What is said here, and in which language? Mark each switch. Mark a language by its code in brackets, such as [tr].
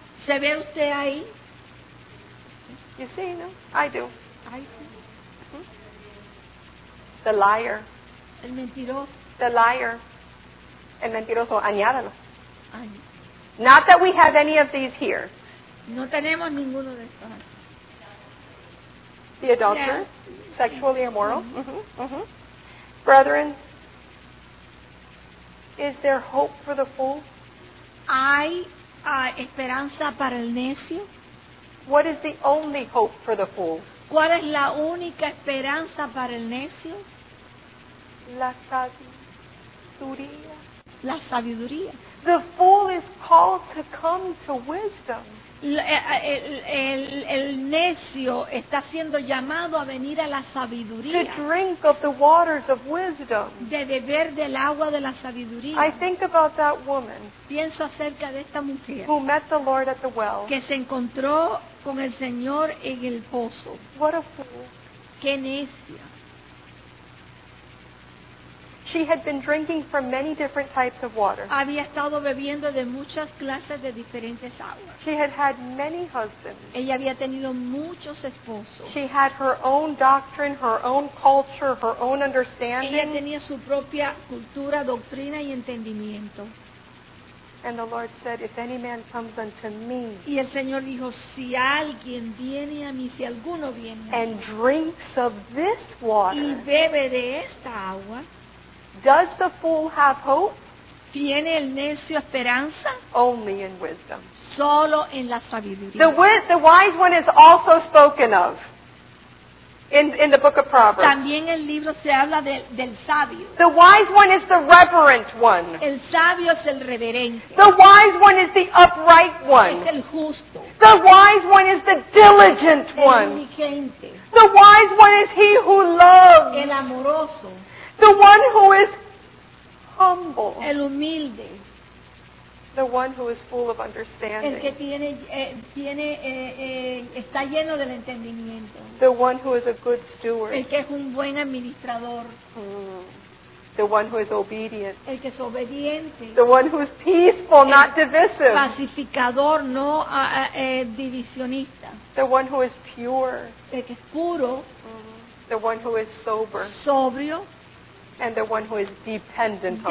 [es] ¿Se ve usted ahí? [en] You see, no? I do. I see. Mm-hmm. The liar. [es] El mentiroso. [en] The liar. [es] El mentiroso. Añádalo. Ay. [en] Not that we have any of these here. [es] No tenemos ninguno de estos. [en] The adulterer, yes. Sexually immoral. Mm-hmm. Brethren, is there hope for the fool? [es] ¿Hay esperanza para el necio? [en] What is the only hope for the fool? [es] ¿Cuál es la única esperanza para el necio? La sabiduría. La sabiduría. [en] The fool is called to come to wisdom. [es] El necio está siendo llamado a venir a la sabiduría. [en] To drink of the waters of wisdom. [es] De beber del agua de la sabiduría. [en] I think about that woman. [es] Pienso acerca de esta mujer. [en] Who met the Lord at the well. [es] Que se encontró con el Señor en el pozo. [en] What a fool. [es] Qué necia. [en] She had been drinking from many different types of water. [es] Había estado bebiendo de muchas clases de diferentes aguas. [en] She had had many husbands. [es] Ella había tenido muchos esposos. [en] She had her own doctrine, her own culture, her own understanding. [es] Ella tenía su propia cultura, doctrina y entendimiento. [en] And the Lord said, if any man comes unto me, [es] y el Señor dijo, si alguien viene a mí, si alguno viene a mí, [en] and drinks of this water, [es] y bebe de esta agua, [en] does the fool have hope? [es] ¿Tiene el necio esperanza? [en] Only in wisdom. [es] Solo en la sabiduría. [en] The wise one is also spoken of in the book of Proverbs. [es] También el libro se habla del sabio. [en] The wise one is the reverent one. [es] El sabio es el reverente. [en] The wise one is the upright one. [es] Es el justo. [en] The wise one is the diligent one. [es] El diligente. [en] The wise one is he who loves. [es] El amoroso. [en] The one who is humble. [es] El humilde. [en] The one who is full of understanding. [es] El que está lleno del entendimiento. [en] The one who is a good steward. [es] El que es un buen administrador. [en] The one who is obedient. [es] El que es obediente. [en] The one who is peaceful, not divisive. [es] Pacificador, no divisionista. [en] The one who is pure. [es] El que es puro. [en] The one who is sober. [es] Sobrio. [en] And the one who is dependent on